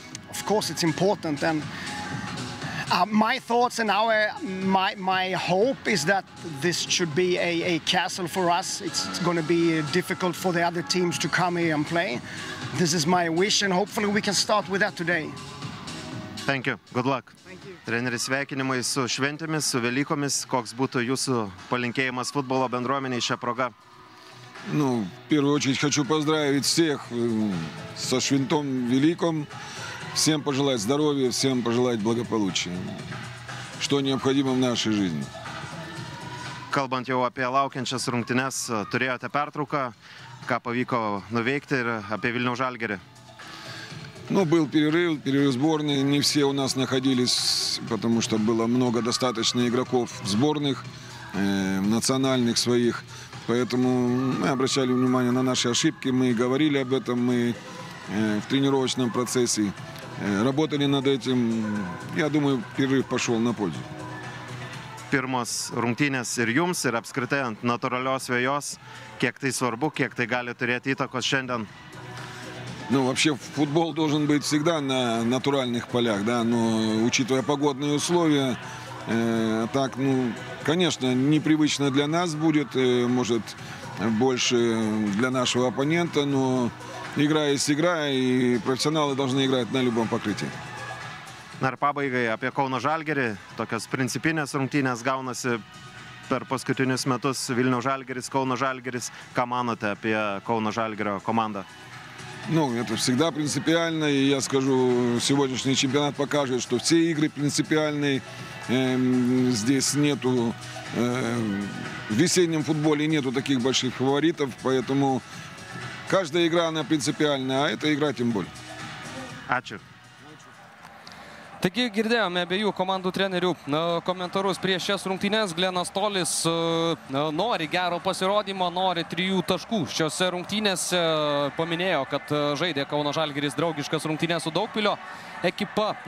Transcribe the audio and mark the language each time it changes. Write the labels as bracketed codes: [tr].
[en] Of course it's important, and my thoughts and my hope is that this should be a castle for us. It's going to be difficult for the other teams to come here and play. This is my wish, and hopefully we can start with that today. Thank you. Good luck. [lt] Treneris, sveikinimai su šventėmis, su Velykomis. Koks būtų jūsų palinkėjimas futbolo bendruomenei šią progą? [ru] Ну, в первую очередь хочу поздравить всех со Швентом Великим. Всем пожелать здоровья, всем пожелать благополучия, что необходимо в нашей жизни. [lt] kalbant jau apie laukiančias rungtynes, turėjote pertrauką, ką pavyko nuveikti ir apie Vilniaus Žalgirį? [ru] Ну, был перерыв, перерыв сборной, не все у нас находились, потому что было много достаточно игроков сборных, национальных своих, поэтому мы обращали внимание на наши ошибки, мы говорили об этом, мы в тренировочном процессе работали над этим, я думаю, перерыв пошел на пользу. [lt] Pirmos rungtynės ir jums, ir apskritai ant natūralios vėjos, kiek tai svarbu, kiek tai gali turėti įtakos šiandien? [ru] Ну, вообще, футбол должен быть всегда на натуральных полях, да, но учитывая погодные условия, так, ну, конечно, непривычно для нас будет, может, больше для нашего оппонента, но игра есть игра, и профессионалы должны играть на любом покрытии. [lt] Na ir pabaigai apie Kauno Žalgirį, tokios principinės rungtynės gaunasi per paskutinius metus Vilniaus Žalgiris, Kauno Žalgiris. Ką manote apie Kauno Žalgirio komandą? [ru] Ну, это всегда принципиально, и я скажу, сегодняшний чемпионат покажет, что все игры принципиальные, здесь нету, в весеннем футболе нету таких больших фаворитов, поэтому каждая игра, она принципиальная, а эта игра тем более. [lt] Ačiū. Taigi girdėjome abiejų komandų trenerių komentarus prieš šias rungtynes. Glenas Tolis nori gero pasirodymo, nori trijų taškų šiose rungtynėse. Paminėjo, kad žaidė Kauno Žalgiris draugiškas rungtynės su Daugpilio ekipa.